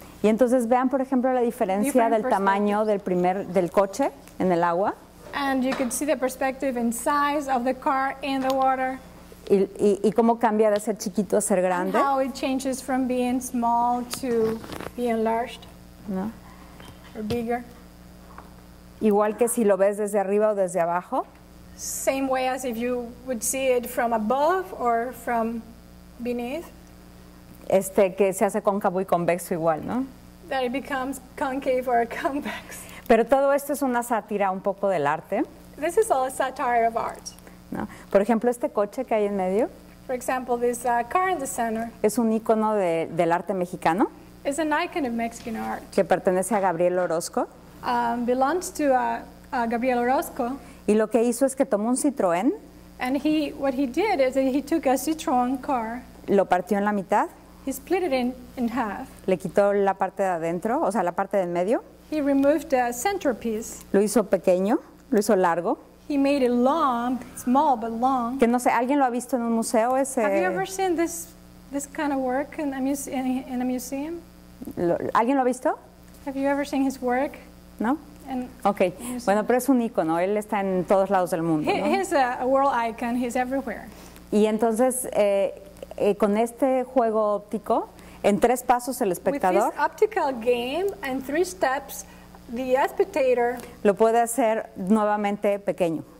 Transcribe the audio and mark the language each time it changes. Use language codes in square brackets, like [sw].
[es] Y entonces vean, por ejemplo, la diferencia del tamaño del coche en el agua. [en] And you can see the perspective and size of the car in the water. [es] Y cómo cambia de ser chiquito a ser grande. [en] And how it changes from being small to being enlarged. [es] No. [en] Or bigger. [es] Igual que si lo ves desde arriba o desde abajo. [en] Same way as if you would see it from above or from beneath. [es] Que se hace cóncavo y convexo igual, ¿no? [en] That it becomes concave or convex. [es] Pero todo esto es una sátira un poco del arte. [en] This is all a satire of art. [es] ¿No? Por ejemplo, este coche que hay en medio. [en] For example, this car in the center. [es] Es un icono del arte mexicano. [en] It's an icon of Mexican art. [es] Que pertenece a Gabriel Orozco. [en] Belongs to Gabriel Orozco. [es] Y lo que hizo es que tomó un Citroën. [en] And what he did is that he took a Citroën car. [es] Lo partió en la mitad. [en] He split it in half. [es] Le quitó la parte de adentro, o sea, la parte del medio. [en] He removed the center piece. [es] Lo hizo pequeño, lo hizo largo. [en] He made it long, small but long. [es] Que no sé, ¿alguien lo ha visto en un museo ese? [en] Have you ever seen this kind of work in a museum? [es] ¿Alguien lo ha visto? [en] Have you ever seen his work? [es] No. Okay. Bueno, pero es un icono. Él está en todos lados del mundo. ¿No? [en] He's a world icon. He's everywhere. [es] Y entonces, con este juego óptico, en tres pasos el espectador. [en] With this optical game and three steps, the spectator. [es] Lo puede hacer nuevamente pequeño.